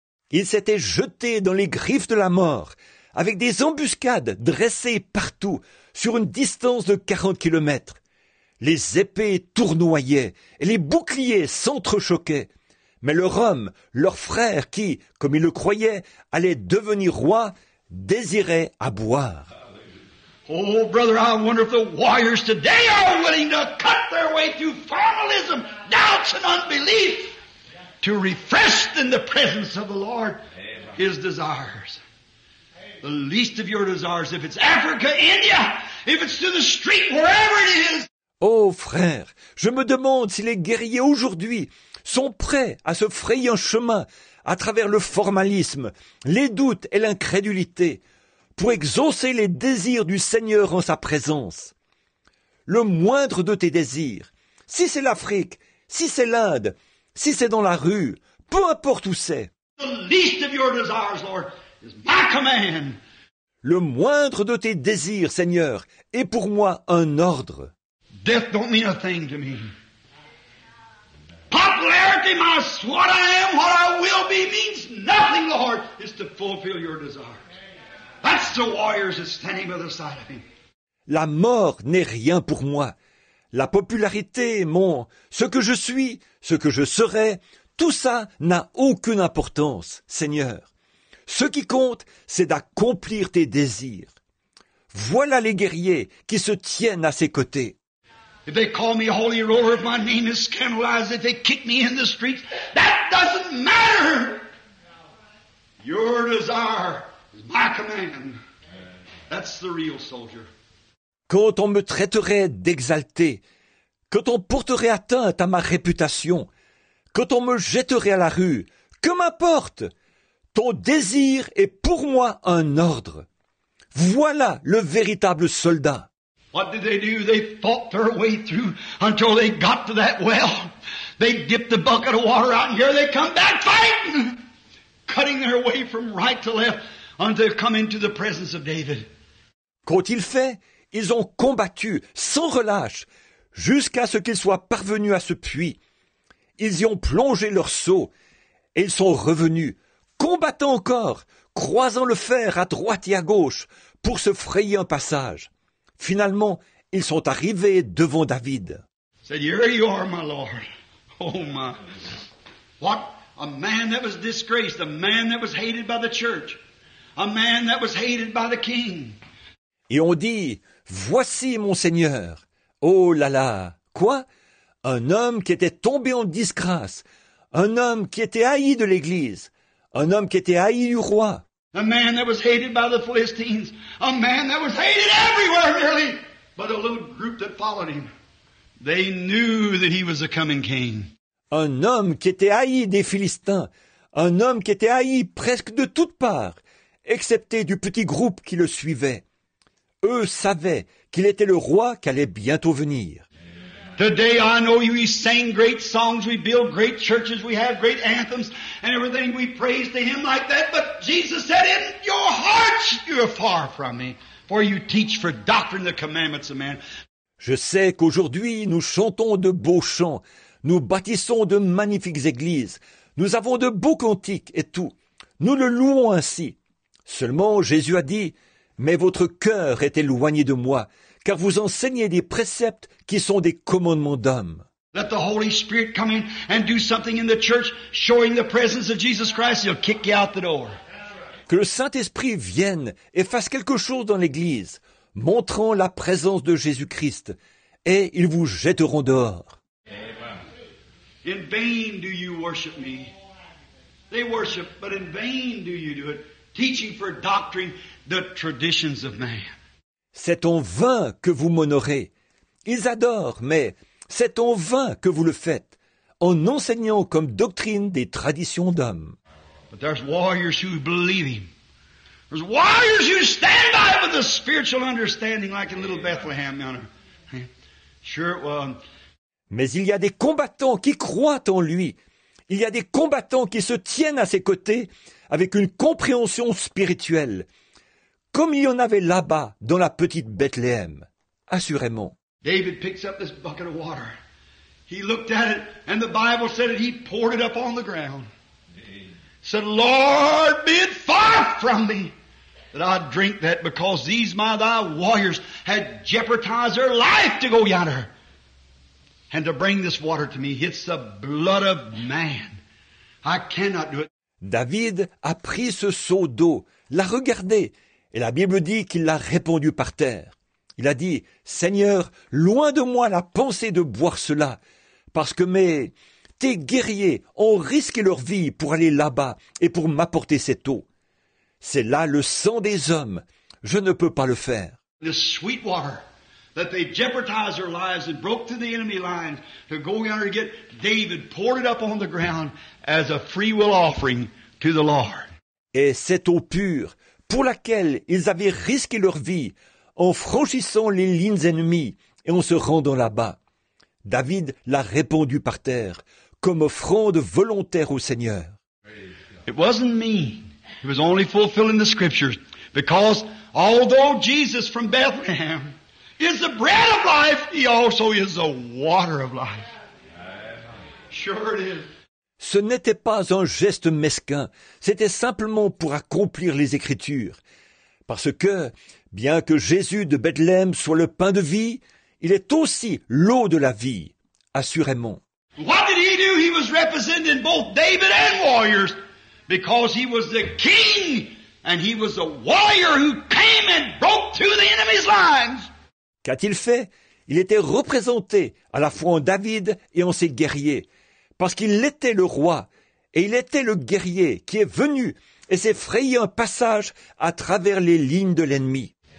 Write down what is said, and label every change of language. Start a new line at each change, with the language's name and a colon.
French: Il s'était jeté dans les griffes de la mort, avec des embuscades dressées partout, sur une distance de 40 kilomètres. Les épées tournoyaient et les boucliers s'entrechoquaient. Mais leur homme, leur frère qui, comme il le croyait, allait devenir roi, désirait à boire.
English: Oh, brother, I wonder if the warriors today are willing to cut their way through formalism, doubts and unbelief, to refresh in the presence of the Lord his desires. The least of your desires, if it's Africa, India, if it's through the street, wherever it is.
French: Oh, frère, je me demande si les guerriers aujourd'hui sont prêts à se frayer un chemin à travers le formalisme, les doutes et l'incrédulité pour exaucer les désirs du Seigneur en sa présence. Le moindre de tes désirs, si c'est l'Afrique, si c'est l'Inde, si c'est dans la rue, peu importe où c'est.
English: The least of your desires, Lord, is my command.
French: Le moindre de tes désirs, Seigneur, est pour moi un ordre.
English: Death don't mean a thing to me. Popularity, my what I am, what I will be, means nothing, Lord, is to fulfill your desires. That's the warriors that's standing by the side of him.
French: La mort n'est rien pour moi. La popularité, mon ce que je suis, ce que je serai, tout ça n'a aucune importance, Seigneur. Ce qui compte, c'est d'accomplir tes désirs. Voilà les guerriers qui se tiennent à ses côtés.
English: If they call me Holy Roller, if my name is scandalized, if they kick me in the streets, that doesn't matter. Your desire is my command. That's the real soldier.
French: Quand on me traiterait d'exalté, quand on porterait atteinte à ma réputation, quand on me jetterait à la rue, que m'importe? Ton désir est pour moi un ordre. Voilà le véritable soldat.
English: What did they do? They fought their way through until they got to that well. They dipped the bucket of water out, and here they come back fighting, cutting their way from right to left until they come into the presence of David.
French: Qu'ont-ils fait? Ils ont combattu sans relâche jusqu'à ce qu'ils soient parvenus à ce puits. Ils y ont plongé leur seau et ils sont revenus, combattant encore, croisant le fer à droite et à gauche pour se frayer un passage. Finalement, ils sont arrivés devant David.
English: Said, here you are, my Lord. Oh my. What? A man that was disgraced, a man that was hated by the church, a man that was hated by the king.
French: Et on dit, voici mon Seigneur. Oh là là, quoi? Un homme qui était tombé en disgrâce, un homme qui était haï de l'Église, un homme qui était haï du roi.
English: A man that was hated by the Philistines, a man that was hated everywhere nearly, but a little group that followed him. They knew that he was a coming king.
French: Un homme qui était haï des Philistins, un homme qui était haï presque de toutes parts, excepté du petit groupe qui le suivait. Eux savaient qu'il était le roi qui allait bientôt venir.
English: Today I know we sing great songs, we build great churches, we have great anthems, and everything we praise to him like that, but Jesus said in your hearts you are far from me, for you teach for doctrine the commandments of man.
French: Je sais qu'aujourd'hui nous chantons de beaux chants, nous bâtissons de magnifiques églises, nous avons de beaux cantiques et tout. Nous le louons ainsi. Seulement Jésus a dit, mais votre cœur est éloigné de moi, car vous enseignez des préceptes qui sont des commandements d'hommes.
English: Let the Holy Spirit come in and do something in the church, showing the presence of Jesus Christ, he'll kick you out the door.
French: Que le Saint-Esprit vienne et fasse quelque chose dans l'Église, montrant la présence de Jésus-Christ, et ils vous jetteront dehors.
English: In vain do you worship me. They worship, but in vain do you do it, teaching for doctrine the traditions of man.
French: C'est en vain que vous m'honorez. Ils adorent, mais c'est en vain que vous le faites, en enseignant comme doctrine des traditions d'hommes.
English: But there's warriors who believe him. There's warriors who stand by with a spiritual understanding like in little Bethlehem. Sure, well.
French: Mais il y a des combattants qui croient en lui. Il y a des combattants qui se tiennent à ses côtés avec une compréhension spirituelle, comme il y en avait là-bas dans la petite Bethléem, assurément.
English: David picks up this bucket of water. He looked at it, and the Bible said that he poured it up on the ground. He said, Lord, be it far from me that I drink that, because these my thy warriors had jeopardized their life to go yonder and to bring this water to me. It's the blood of man. I cannot do it.
French: David a pris ce seau d'eau, l'a regardé, et la Bible dit qu'il l'a répandu par terre. Il a dit, « Seigneur, loin de moi la pensée de boire cela, parce que tes guerriers ont risqué leur vie pour aller là-bas et pour m'apporter cette eau. C'est là le sang des hommes. Je ne peux pas le faire. »
English: The sweet water that they jeopardized their lives and broke through the enemy lines to go out and get David poured it up on the ground as a free will offering to the Lord.
French: Et cette eau pure pour laquelle ils avaient risqué leur vie en franchissant les lignes ennemies et en se rendant là-bas. David l'a répandu par terre comme offrande volontaire au Seigneur.
English: It wasn't me. It was only fulfilling the scriptures. Because although Jesus from Bethlehem is the bread of life, he also is the water of life. Sure it is.
French: Ce n'était pas un geste mesquin, c'était simplement pour accomplir les Écritures. Parce que, bien que Jésus de Bethléem soit le pain de vie, il est aussi l'eau de la vie, assurément.
English: What did he do? He was representing both David and warriors, because he was the king, and he was the warrior who came and broke through the enemy's lines.
French: Qu'a-t-il fait? Il était représenté à la fois en David et en ses guerriers, parce qu'il était le roi, et il était le guerrier qui est venu et s'est frayé un passage à travers les lignes de l'ennemi.